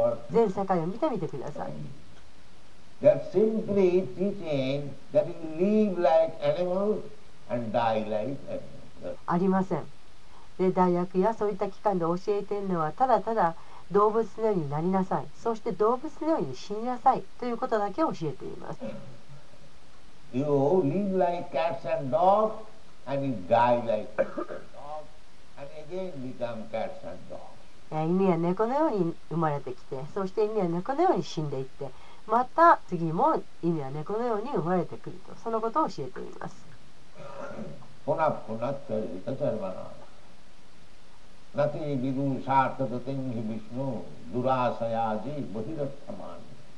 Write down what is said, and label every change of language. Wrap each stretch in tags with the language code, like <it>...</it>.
<ja>全世界を見てみてください。</ja> <en>That simply teaching that you live like animals and die like animals.</en> <ja>ありません。で、大学やそういった機関で教えてるのはただただ動物のようになりなさい、そして動物のように死になさいということだけ教えています。</ja> <en>You live like cats and dogs and you die like dogs and again become cats and dogs。</en> <ja>犬や猫のように生まれてきて、そして犬や猫のように死んでいって、また次も犬や猫のように生まれてくると、そのことを教えています。ポナポナッツェイタチャルバナー Nati vidu sartata tenghi vishnu durasayaji bahirathamani</ja>